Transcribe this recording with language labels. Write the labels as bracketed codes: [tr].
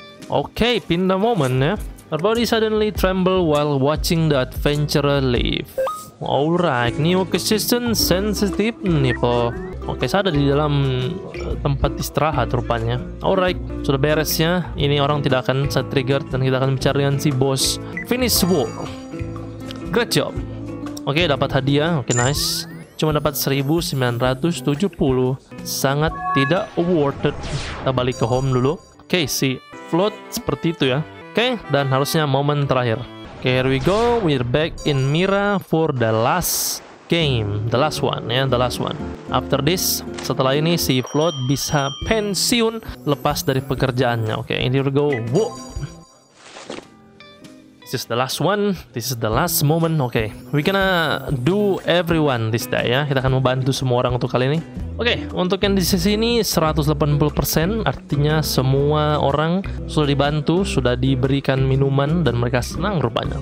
[en] Okay, pin the moment ya. Her body suddenly tremble while watching the adventurer leave. Alright, new assistant sensitive nipo. [id] Oke, saya ada di dalam tempat istirahat rupanya. Alright, sudah beres ya. Ini orang tidak akan saya trigger dan kita akan bicara dengan si bos. [en] Finish work. Great job. [id] Oke, dapat hadiah. [en] Oke, nice. [id] Cuma dapat 1970. Sangat tidak worth it. Kita balik ke home dulu. Oke, si float seperti itu ya. Oke, dan harusnya momen terakhir. Oke, [en] here we go. We're back in Mira for the last game, the last one ya, the last one. After this, [id] setelah ini si Float bisa pensiun lepas dari pekerjaannya. [en] Oke, okay, here we go. Whoa. This is the last one. This is the last moment. Oke, okay. We gonna do everyone this day ya. [id] Kita akan membantu semua orang untuk kali ini. Oke, okay, untuk yang di sisi ini 180%, artinya semua orang sudah dibantu, sudah diberikan minuman dan mereka senang rupanya.